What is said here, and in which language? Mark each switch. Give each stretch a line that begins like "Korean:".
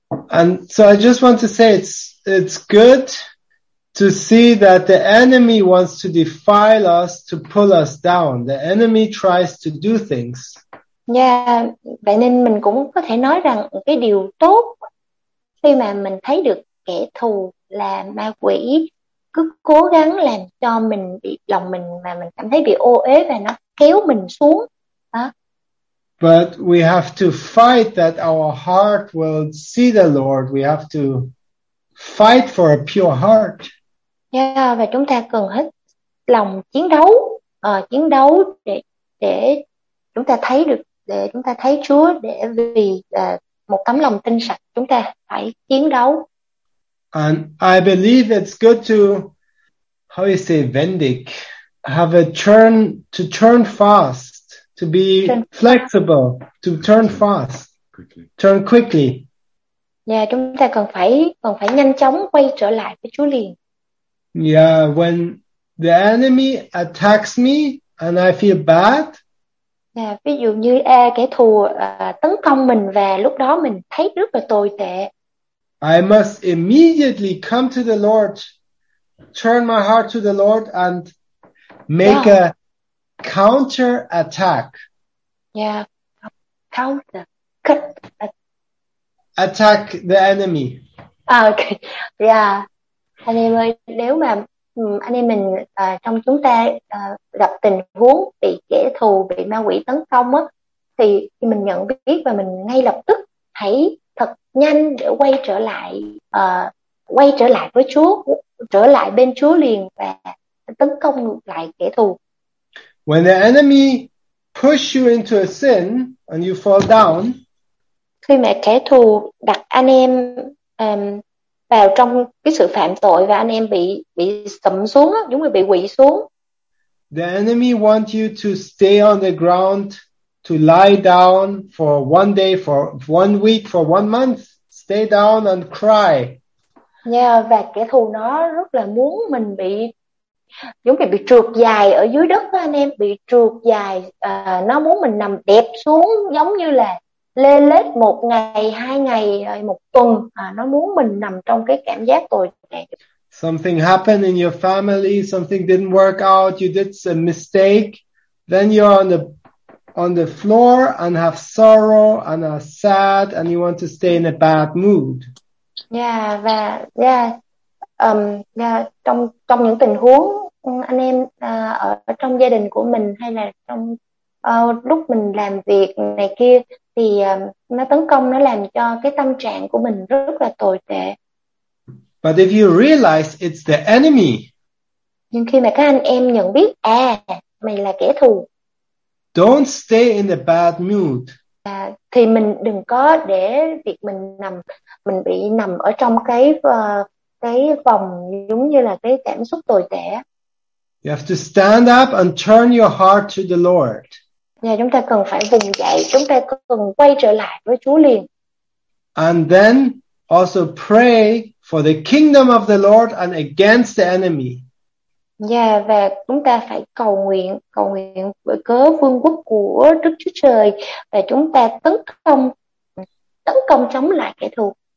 English: And so I just want to say it's good to see that the enemy wants to defile us, to pull us down. The enemy tries to do things.
Vietnamese: Yeah, vậy nên mình cũng có thể nói rằng cái điều tốt khi mà mình thấy được kẻ thù là ma quỷ cứ cố gắng làm cho mình bị lòng mình mà mình cảm thấy bị ô uế và nó kéo mình xuống.
English: But we have to fight that our heart will see the Lord. We have to fight for a pure heart.
Vietnamese: Yeah, và chúng ta cần hết lòng chiến đấu để chúng ta thấy được, để chúng ta thấy Chúa, để vì một tấm lòng tinh sạch chúng ta phải chiến đấu.
English: And I believe it's good to, how you say, vindicate, have a turn, to turn fast. To be flexible, to turn fast, turn quickly.
Vietnamese: Yeah, chúng ta cần phải nhanh chóng quay trở lại với Chúa liền.
English: Yeah, when the enemy attacks me and I feel bad.
Vietnamese: Yeah, ví dụ như kẻ thù tấn công mình và lúc đó mình thấy rất là tồi tệ.
English: I must immediately come to the Lord, turn my heart to the Lord and make a counter attack. Yeah, counter. Cut. Attack the enemy. Okay. Yeah.
Vietnamese: Anh em ơi, nếu mà anh em mình trong chúng ta gặp tình huống bị kẻ thù, bị ma quỷ tấn công á, thì khi mình nhận biết và mình ngay lập tức hãy thật nhanh để quay trở lại với Chúa, trở lại bên Chúa liền và tấn công lại kẻ thù.
English: When the enemy push you into a sin and you fall down,
Vietnamese: khi mà kẻ thù đặt anh em vào trong cái sự phạm tội và anh em bị sụm xuống, giống như bị quỵ xuống.
English: The enemy wants you to stay on the ground, to lie down for one day, for one week, for one month, stay down and cry.
Vietnamese: Yeah, và kẻ thù nó rất là muốn mình bị giống như bị trượt dài ở dưới đất đó, anh em, bị trượt dài, nó muốn mình nằm đẹp xuống giống như là lê lết một ngày, hai ngày, một tuần, nó muốn mình nằm trong cái cảm giác tồi tệ.
English: Something happened in your family, something didn't work out, you did a mistake, then you're on the floor and have sorrow and are sad and you want to stay in a bad mood.
Vietnamese: Yeah, và trong những tình huống anh em ở trong gia đình của mình hay là trong lúc mình làm việc này kia thì nó tấn công, nó làm cho cái tâm trạng của mình rất là tồi tệ.
English: But if you realize it's the enemy.
Vietnamese: Nhưng khi mà các anh em nhận biết mày là kẻ thù.
English: Don't stay in a bad mood.
Vietnamese: Thì mình đừng có để việc mình bị nằm ở trong cái vòng giống như là cái cảm xúc tồi tệ.
English: You have to stand up and turn your heart to the Lord.
Vietnamese: Yeah, chúng ta cần phải vùng dậy, chúng ta cần quay trở lại với Chúa liền.
English: And then also pray for the kingdom of the Lord and against the enemy.
Vietnamese: Yeah, và chúng ta phải cầu nguyện bởi cớ vương quốc của Đức Chúa Trời và chúng ta tấn công chống lại kẻ thù.